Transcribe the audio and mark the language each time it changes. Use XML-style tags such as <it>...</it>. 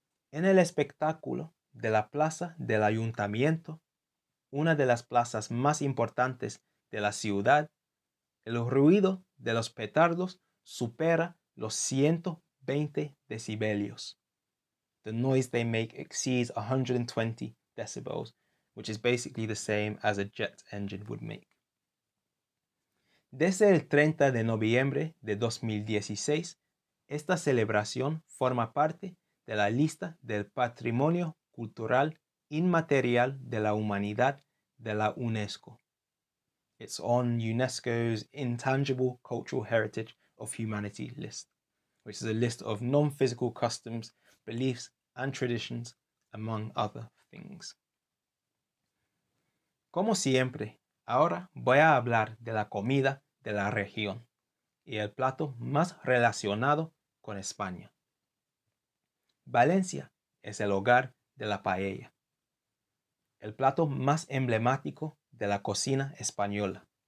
<es>En el espectáculo de la Plaza del Ayuntamiento, una de las plazas más importantes de la ciudad, el ruido de los petardos supera los 120 decibelios.</es> <en>The noise they make exceeds 120 decibels, which is basically the same as a jet engine would make.</en> <es>Desde el 30 de noviembre de 2016, esta celebración forma parte de la lista del Patrimonio Cultural Inmaterial de la Humanidad de la UNESCO.</es> <en>It's on UNESCO's Intangible Cultural Heritage of Humanity list, which is a list of non-physical customs, beliefs, and traditions, among other things.</en> <es>Como siempre, ahora voy a hablar de la comida de la región y el plato más relacionado con España. Valencia es el hogar de la paella, el plato más emblemático de la cocina española.</es>